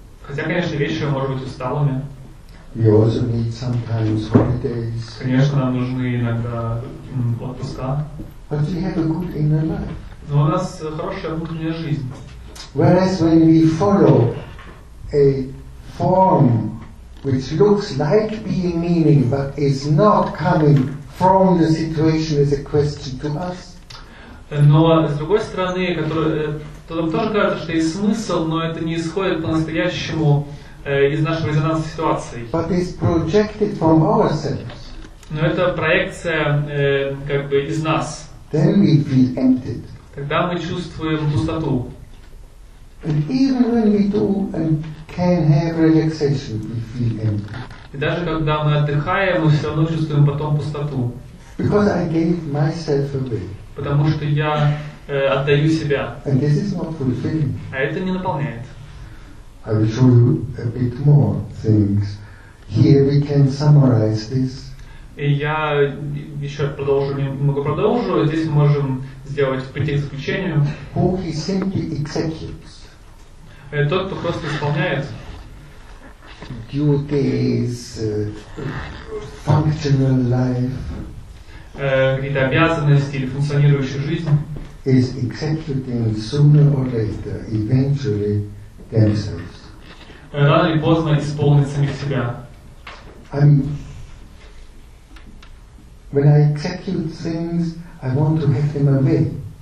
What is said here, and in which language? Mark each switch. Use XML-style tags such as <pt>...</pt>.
<ru>Хотя, конечно, вечером можем быть усталыми.</ru> <en>We also need sometimes holidays.</en> <ru>Конечно, нам нужны иногда отпуска.</ru> <en>But we have a good inner life.</en> <ru>Но у нас хорошая внутренняя жизнь.</ru> <en>Whereas when we follow a form which looks like being meaning, but is not coming from the situation as a question to us.</en> <ru>Но с другой стороны, которое тоже кажется, что есть смысл, но это не исходит по-настоящему из нашего резонанса ситуации.</ru> <en>But it's projected from ourselves.</en> <ru>Но это проекция как бы из нас.</ru> <en>Then we feel emptied.</en> <ru>Тогда мы чувствуем пустоту.</ru> <en>And even when we do and can have relaxation, we feel empty.</en> <ru>И даже когда мы отдыхаем, мы все равно чувствуем потом пустоту.</ru> <en>Because I gave myself away.</en> <ru>Потому что я отдаю себя.</ru> <en>And this is not fulfilling.</en> <ru>А это не наполняет.</ru> <en>I will show you a bit more things. Here we can summarize this.</en> <ru>И я еще продолжу, немного продолжу. Здесь мы можем сделать прийти к заключению.</ru> <en>Who he simply executes.</en> <ru>Это тот, кто просто исполняет</ru> <en>duties, functional life.</en> <ru>Какие-то обязанности или функционирующую жизнь.</ru> <en>Is accepting sooner or later, eventually themselves.</en> <ru>Рано или поздно исполнить самих себя.</ru> <en>When I execute things, I want to have them away.</en>